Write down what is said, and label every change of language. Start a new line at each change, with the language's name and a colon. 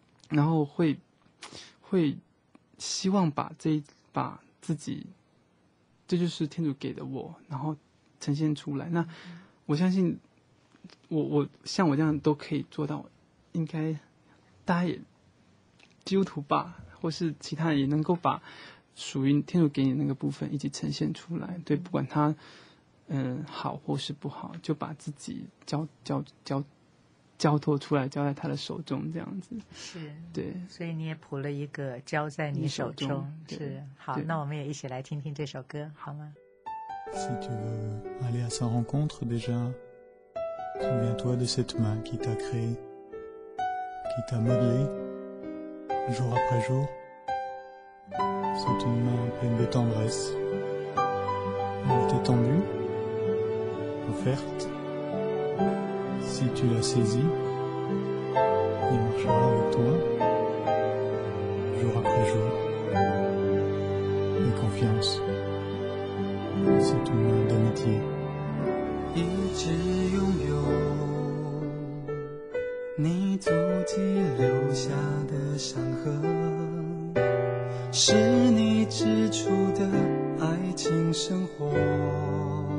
Chinese: 然后会希望把自己，这就是天主给的我，然后呈现出来。那我相信我像我这样都可以做到，应该大家也基督徒吧，或是其他人也能够把属于天主给你的那个部分一起呈现出来。对，不管他。好或是不好，就把自己交托出来，交在他的手中，这样子。是，对，所以你也谱了一个交在你手中。是，好，那我们也一起来听听这首歌好吗？
French: Si tu veux aller à sa rencontre déjà, souviens-toi de cette main qui t'a créé, qui t'a modelé, jour après jour, c'est une main pleine de tendresse, elle t'est tendue. Offerte, si tu la saisis, il marchera avec toi, jour après jour, et confiance.
Chinese: 是同样的谜题，一直拥有你足迹留下的伤痕，是你指出的爱情生活。